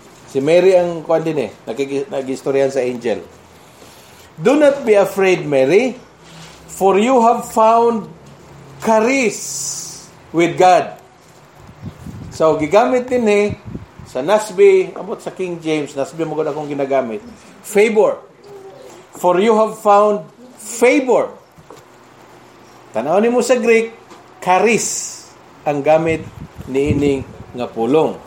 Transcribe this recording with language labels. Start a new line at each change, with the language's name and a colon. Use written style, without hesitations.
Cebuano: Si Mary ang kani ni, nag-istoryan sa angel.
English: Do not be afraid, Mary, for you have found charis with God.
Cebuano: So, gigamit din eh, sa NASB, about sa King James, NASB mo gano'n akong ginagamit. Favor.
English: For you have found favor.
Cebuano: Tanawin mo sa Greek, charis ang gamit ni ining nga pulong.